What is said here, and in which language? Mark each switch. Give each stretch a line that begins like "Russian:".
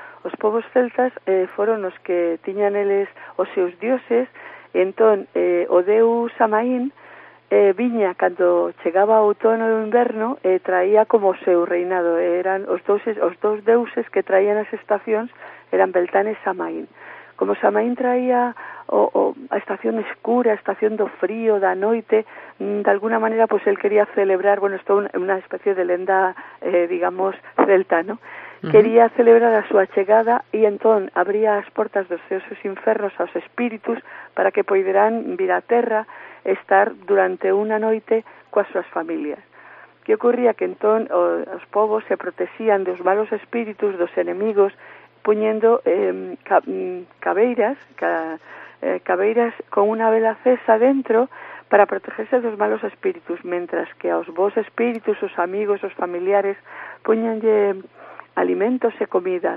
Galician: Os povos celtas foron os que tiñan eles os seus dioses, entón o deus Samaín viña cando chegaba o outono e o inverno, traía como o seu reinado, eran os dous deuses que traían as estacións, eran Beltán e Samaín. Como Samaín traía a estación escura, a estación do frío, da noite, de alguna manera,
Spanish: pues él quería celebrar, bueno, esto es una especie de lenda, digamos, celta, ¿no? Uh-huh.
Galician: Quería celebrar a súa chegada, e entón abría as portas dos seus infernos aos espíritus para que poderan vir a terra, estar durante unha noite coas súas familias. Que ocurría? Que entón os povos se protexían dos malos espíritus, dos enemigos, poñendo cabeiras con unha vela acesa dentro para protegerse dos malos espíritus, mentras que aos bons espíritus, os amigos, os familiares, poñanlle alimentos e comida.